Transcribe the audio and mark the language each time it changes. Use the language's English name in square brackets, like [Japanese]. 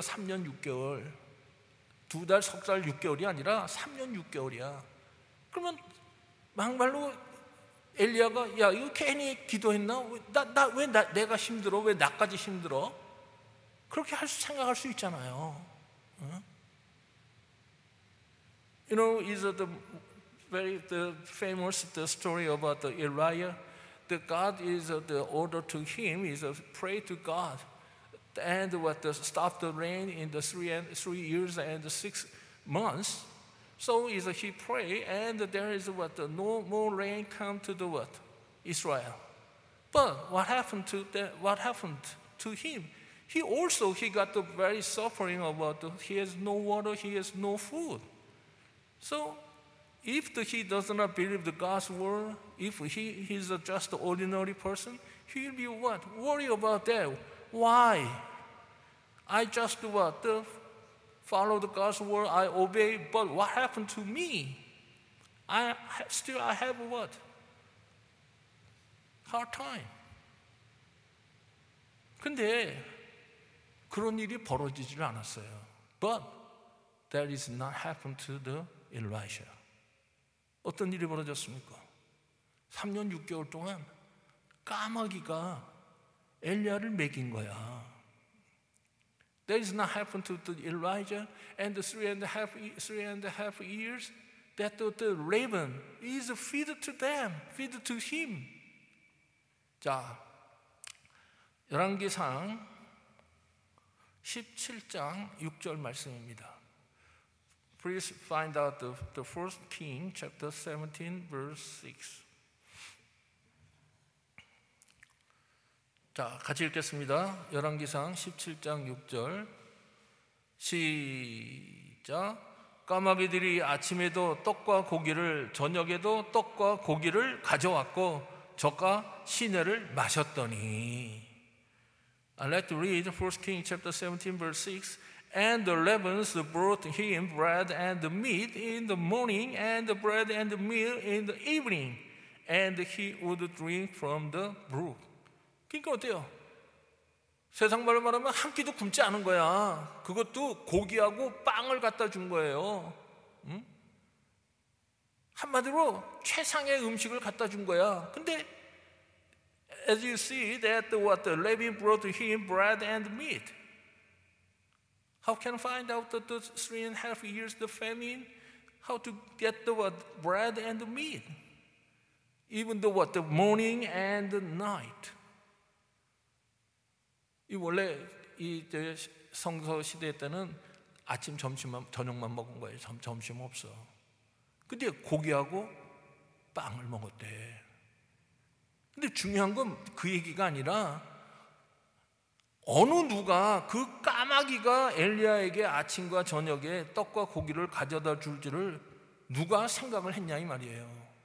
[Korean] 3년 6개월. 두 달, 석 달, 6개월이 아니라 3년 6개월이야. 그러면 막말로 엘리야가 야 이거 괜히 기도했나? 내가 힘들어? 왜 나까지 힘들어? 그렇게 생각할 수 있잖아요. 응? [English] You know, is the very the famous the story about the Elijah. The God is the order to him is pray to God, and what the stop the rain in the three years and the 6 months. So is he pray and there is what the no more rain come to the what Israel, but what happened to that? What happened to him? He got the very suffering about the, he has no water, he has no food. So if he does not believe the God's word, if he's just an ordinary person, he'll be what worry about that? Why I just do what? Follow the God's word, I obey, but what happened to me? I still have what? Hard time. [Korean] 근데 그런 일이 벌어지질 않았어요. [English] But that is not happened to the Elijah. [Korean] 어떤 일이 벌어졌습니까? 3년 6개월 동안 까마귀가 엘리야를 먹인 거야. [English] That is not happened to the Elijah and the three and a half years that the raven is fed to them, fed to him. [Korean] 자, 열왕기상 17장 6절 말씀입니다. [English] Please find out the first king, chapter 17, verse 6. [Korean] 자, 같이 읽겠습니다. 열왕기상 17장 6절 시작. 까마귀들이 아침에도 떡과 고기를, 저녁에도 떡과 고기를 가져왔고 저가 시내를 마셨더니. [English] I'd like to read 1 Kings chapter 17 verse 6. And the ravens brought him bread and meat in the morning and bread and meal in the evening. And he would drink from the brook. [Korean] 그러니까 어때요? 세상 말로 말하면 한 끼도 굶지 않은 거야. 그것도 고기하고 빵을 갖다 준 거예요. 한마디로 최상의 음식을 갖다 준 거야. [English] 근데 as you see that what the Levi brought to him bread and meat. How can find out that the 3.5 years the famine? How to get the what bread and meat? Even the what the morning and the night. [Korean] 이 원래 이 성서 시대 때는 아침 점심만 저녁만 먹은 거예요. 점심 없어. 근데 고기하고 빵을 먹었대. 근데 중요한 건 그 얘기가 아니라 어느 누가 그 까마귀가 엘리야에게 아침과 저녁에 떡과 고기를 가져다 줄지를 누가 생각을 했냐 이 말이에요.